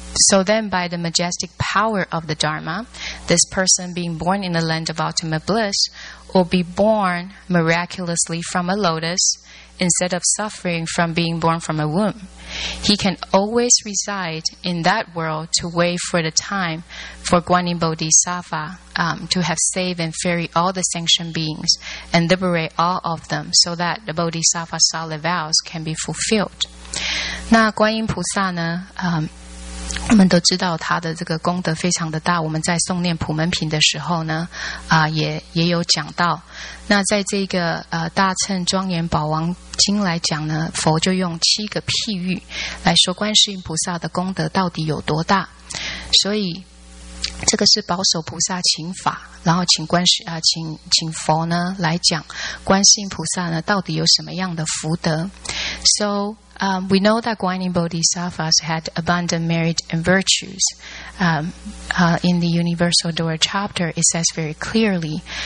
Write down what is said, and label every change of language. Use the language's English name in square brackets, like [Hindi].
[English] So then, by the majestic power of the Dharma, this person being born in the land of ultimate bliss will be born miraculously from a lotus instead of suffering from being born from a womb. He can always reside in that world to wait for the time for Guanyin Bodhisattva to have saved and ferried all the sentient beings and liberate all of them so that the Bodhisattva solid vows can be fulfilled. [Chinese] 那观音菩萨呢我们都知道他的这个功德非常的大，我们在诵念普门品的时候呢也有讲到。那在这个大乘庄严宝王经来讲呢，佛就用七个譬喻来说观世音菩萨的功德到底有多大。所以这个是保守菩萨请法，然后请佛呢来讲观世音菩萨呢到底有什么样的福德。 [English] So,we know that Guanyin Bodhisattvas had abundant merit and virtues. In the Universal Door chapter, it says very clearly.